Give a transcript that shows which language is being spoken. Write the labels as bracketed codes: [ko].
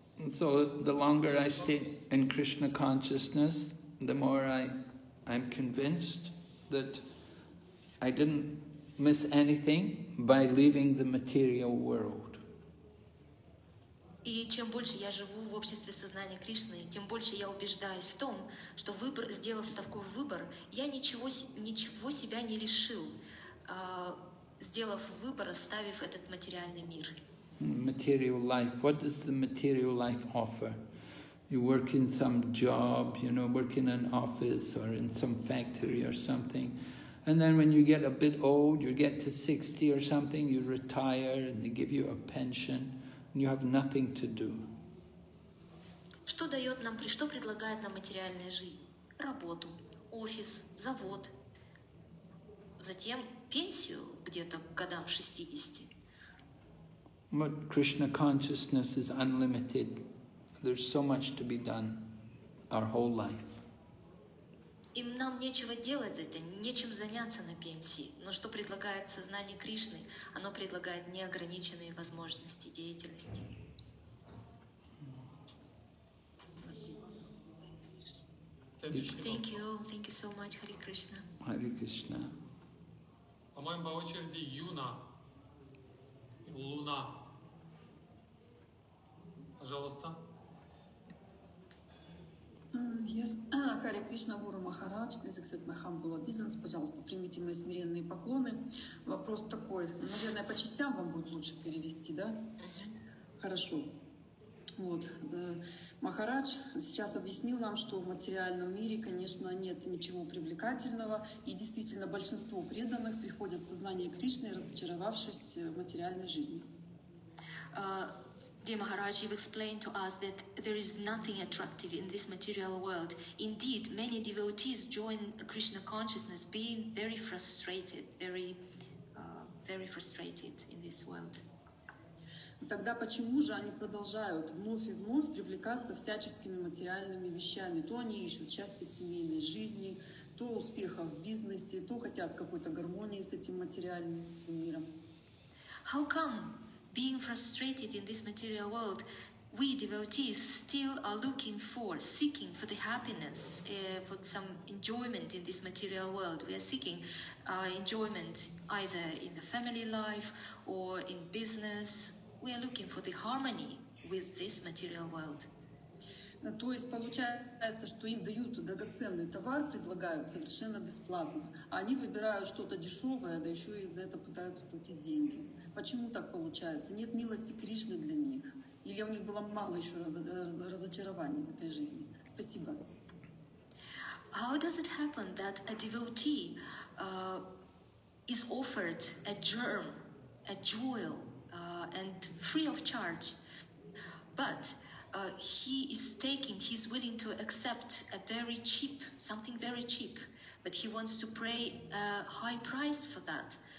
[en] So the longer I stay in Krishna consciousness, the more I'm convinced that I didn't miss anything by leaving the material world. [ru] И чем больше я живу в обществе сознания Кришны, тем больше я убеждаюсь в том, что выбор, сделав такой выбор, я ничего себя не лишил, сделав выбор, оставив этот материальный мир. [en] Material life. What does the material life offer? You work in some job, you know, work in an office or in some factory or something. And then when you get a bit old, you get to 60 or something, you retire and they give you a pension and you have nothing to do. [ru] Что дает нам, что предлагает нам материальная жизнь? Работу, офис, завод. Затем пенсию где-то к годам 60. [en] But Krishna consciousness is unlimited. There's so much to be done our whole life. [ru] Им нам нечего делать, это нечем заняться на пенсии. Но что предлагает сознание Кришны? Оно предлагает неограниченные возможности деятельности. Спасибо. [en] Thank you so much, Hare Krishna. Hare Krishna. [ru] По-моему, по очереди Юна. Луна. Пожалуйста. [en] Yes. Hare Krishna Guru Maharaj, please accept my humble business. [ru] Пожалуйста, примите мои смиренные поклоны. Вопрос такой, наверное, по частям вам будет лучше перевести, да? Хорошо. Вот. Махарадж сейчас объяснил нам, что в материальном мире, конечно, нет ничего привлекательного. И действительно, большинство преданных приходят в сознание Кришны, разочаровавшись в материальной жизни. [en] Dear Maharaj, you've explained to us that there is nothing attractive in this material world. Indeed, many devotees join Krishna consciousness being very frustrated, very frustrated in this world. [ru] Тогда почему же они продолжают вновь и вновь привлекаться всяческими материальными вещами? То они ищут счастье в семейной жизни, то успеха в бизнесе, то хотят какой-то гармонии с этим материальным миром. [en] How come? Being frustrated in this material world, we devotees still are looking for, seeking for the happiness, for some enjoyment in this material world. We are seeking enjoyment either in the family life or in business. We are looking for the harmony with this material world. [ru] То есть получается, что им дают драгоценный товар, предлагают совершенно бесплатно, а они выбирают что-то дешевое, да еще и за это пытаются платить деньги. Почему так получается? Нет милости Кришны для них? Или у них было мало еще разочарований в этой жизни? Спасибо. [en] How does it happen that a devotee is offered a germ, a jewel, and free of charge, but he is taking, he's willing to accept a very cheap, something very cheap, but he wants to pay a high price for that.